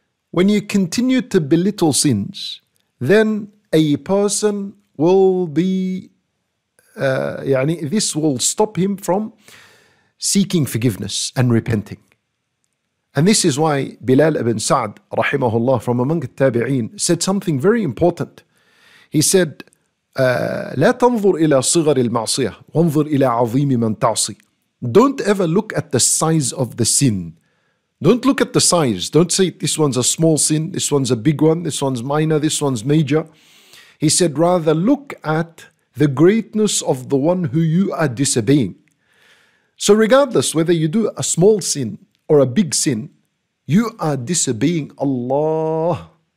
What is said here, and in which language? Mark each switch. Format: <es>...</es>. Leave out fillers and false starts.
<en>When you continue to belittle sins, then a person will be, this will stop him from seeking forgiveness and repenting. And this is why Bilal ibn Sa'd, rahimahullah, from among the tabi'een, said something very important.</en> <ar>He said, لا تنظر إلى صغر المعصية وانظر إلى عظيم من تعصي.</ar> <en>Don't ever look at the size of the sin. Don't look at the size. Don't say this one's a small sin, this one's a big one, this one's minor, this one's major. He said, rather look at the greatness of the one who you are disobeying. So regardless whether you do a small sin or a big sin, you are disobeying Allah.</en>